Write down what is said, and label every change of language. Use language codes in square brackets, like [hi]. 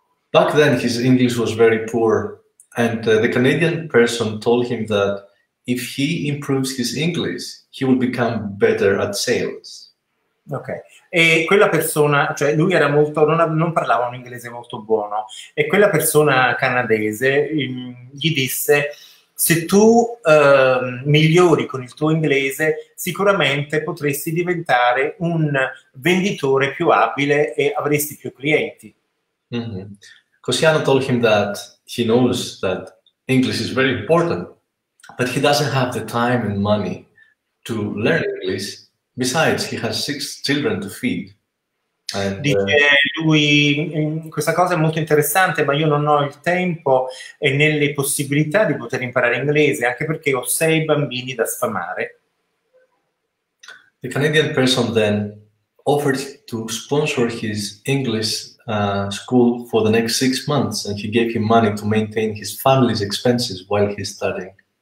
[en] Back then his English was very poor, and the Canadian person told him that if he improves his English, he will become better at sales. [it] Ok, e quella persona, cioè lui era molto, non parlava un inglese molto buono, e quella persona canadese gli disse: se tu migliori con il tuo inglese, sicuramente potresti diventare un venditore più abile e avresti più clienti. Mm-hmm. [en] Cosiano told him that he knows that English is very important, but he doesn't have the time and money to learn English. Besides, he has 6 children to feed. [it] Dice lui, questa cosa è molto interessante, ma io non ho il tempo e né le possibilità di poter imparare inglese, anche perché ho 6 bambini da sfamare. [en] The Canadian person then offered to sponsor his English school for the next 6 months, and he gave him money to maintain his family's expenses while he's studying.